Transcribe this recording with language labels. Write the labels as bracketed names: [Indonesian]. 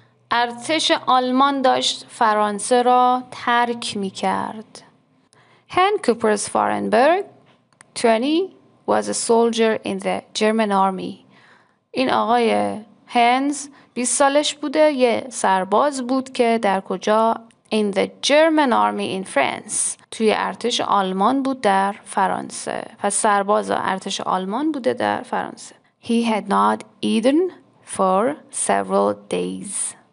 [Persian] ارتش آلمان داشت فرانسه را ترک می کرد. [English] Hen Cooper's Fahrenberg, 20, was a soldier in the German army. [Persian] این آقای هنز 20 سالش بوده، یه سرباز بود که در کجا؟ [English] In the German army in France. [Persian] توی ارتش آلمان بود در فرانسه. پس سرباز ارتش آلمان بوده در فرانسه. [English] He had not eaten for several days.